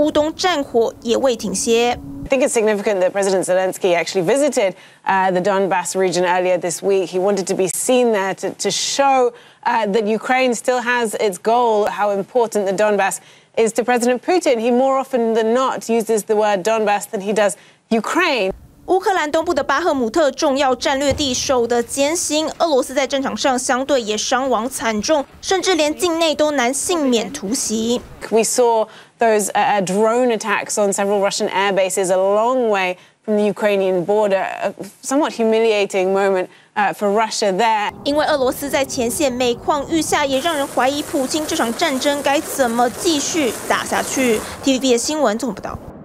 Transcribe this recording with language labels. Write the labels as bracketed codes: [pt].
[zh] 乌克兰总统泽伦斯基直指俄罗斯动用15架伊朗制无人机彻夜攻击，10架成功被击落，复电工程还在持续。不止南部，乌东战火也未停歇。 [en] I think it's significant that President Zelensky actually visited the Donbass region earlier this week. He wanted to be seen there to show that Ukraine still has its goal, how important the Donbass is to President Putin. He more often than not uses the word Donbass than he does Ukraine. [zh] 乌克兰东部的巴赫姆特重要战略地守得艰辛，俄罗斯在战场上相对也伤亡惨重，甚至连境内都难幸免突袭。 [en] We saw those drone attacks on several Russian air bases a long way from the Ukrainian border, a somewhat humiliating moment for Russia there. [zh] 因为俄罗斯在前线每况愈下，也让人怀疑普京这场战争该怎么继续打下去。TVBS 新闻总报道。